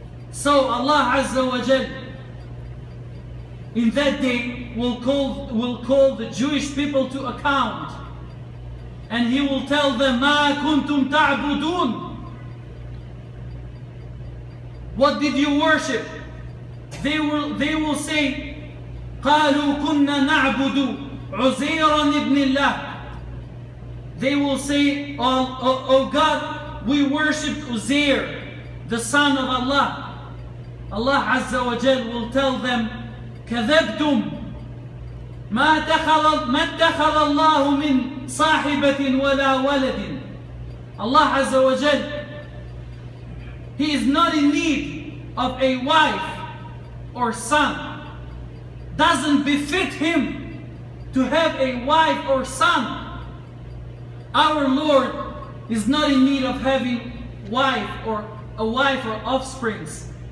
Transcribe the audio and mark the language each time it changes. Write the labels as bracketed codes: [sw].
[en] So Allah Azza wa Jal in that day will call the Jewish people to account, and He will tell them, [ar] مَا كُنْتُمْ تَعْبُدُونَ. [en] What did you worship? They will say, [ar] قَالُوا كُنَّا نَعْبُدُ عُزَيْرًا ابْنِ اللَّهِ. [en] They will say, oh God, we worship Uzair, the son of Allah. [ar] Allah Azza wa Jal [en] will tell them, [ar] كَذَبْتُمْ مَا اتَّخَذَ اللَّهُ مِنْ صَاحِبَةٍ وَلَا وَلَدٍ. [en] Allah Azza wa Jal, He is not in need of a wife or son. Doesn't befit Him to have a wife or son. Our Lord is not in need of having wife or a wife or offsprings.